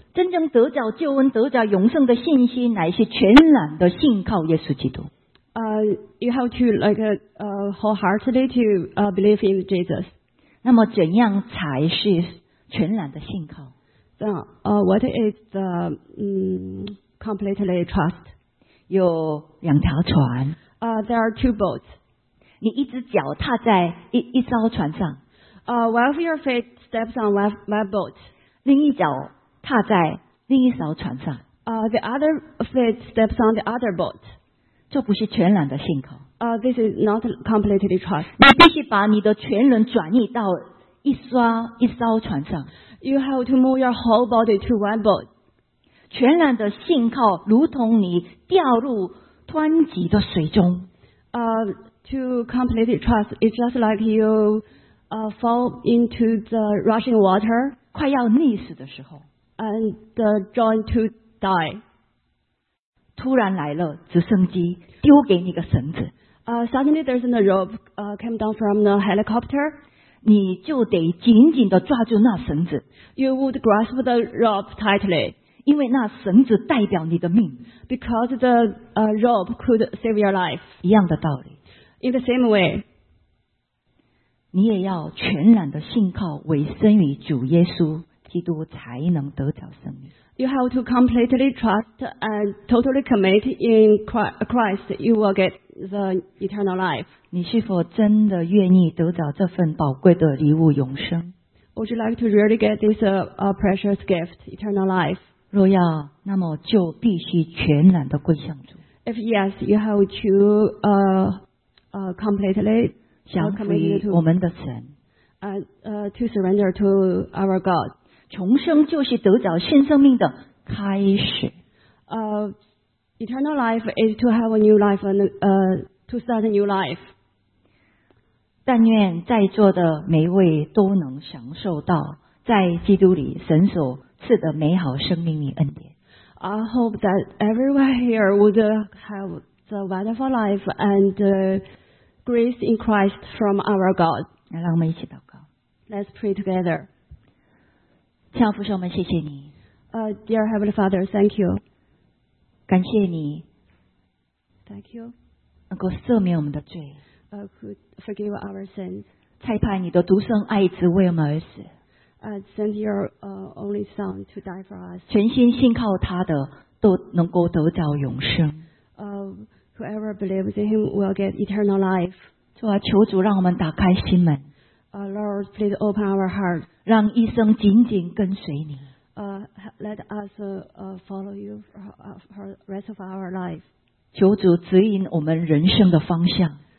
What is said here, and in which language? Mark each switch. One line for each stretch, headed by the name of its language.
Chinese: 真正得着救恩、得着永生的信心，乃是全然的信靠耶稣基督。
English: You have to wholeheartedly to believe in Jesus.
Chinese: 那么怎样才是全然的信靠？
English: What is the completely trust?
Chinese: 有两条船。
English: There are two boats.
Chinese: 你一只脚踏在 一艘船上。
English: While your feet steps on my boat.
Chinese: 另一脚踏在另一艘船上。
English: The other feet steps on the other boat.
Chinese: 这不是全然的信靠。
English: This is not completely trust.
Chinese: 你必须把你的全人转移到一艘船上。
English: You have to move your whole body to one boat.
Chinese: 全然的信靠如同你掉入湍急的水中。
English: To completely trust is just like you fall into the rushing water.
Chinese: 快要溺死的时候。
English: And drawn to die.
Chinese: 突然来了直升机，丢给你个绳子。
English: Suddenly there's a rope came down from the helicopter.
Chinese: 你就得紧紧地抓住那绳子。
English: You would grasp the rope tightly.
Chinese: 因为那绳子代表你的命。
English: Because the rope could save your life.
Chinese: 一样的道理。
English: In the same way.
Chinese: 你也要全然的信靠委身于主耶稣基督才能得着生命。
English: You have to completely trust and totally commit in Christ. You will get the eternal life.
Chinese: 你是否真的愿意得着这份宝贵的礼物永生？
English: Would you like to really get this precious gift, eternal life?
Chinese: 若要，那么就必须全然的归向主。
English: If yes, you have to completely commit to 我们的神。 To surrender to our God.
Chinese: 重生就是得着新生命的开始。
English: Eternal life is to have a new life and to start a new life.
Chinese: 但愿在座的每一位都能享受到在基督里神所赐的美好生命与恩典。
English: I hope that everyone here would have the wonderful life and grace in Christ from our God.
Chinese: 来，让我们一起祷告。
English: Let's pray together.
Chinese: 亲爱的父神，我们谢谢你。
English: Dear Heavenly Father, thank you.
Chinese: 感谢你。
English: Thank you.
Chinese: 能够赦免我们的罪。
English: Could forgive our sins.
Chinese: 差派你的独生爱子为我们而死。
English: Send your only son to die for us.
Chinese: 全心信靠他的都能够得着永生。
English: Whoever believes in him will get eternal life.
Chinese: 主啊，求主让我们打开心门。
English: Lord, please open our hearts.
Chinese: 让一生紧紧跟随你。
English: Let us follow you for the rest of our life.
Chinese: 求主指引我们人生的方向。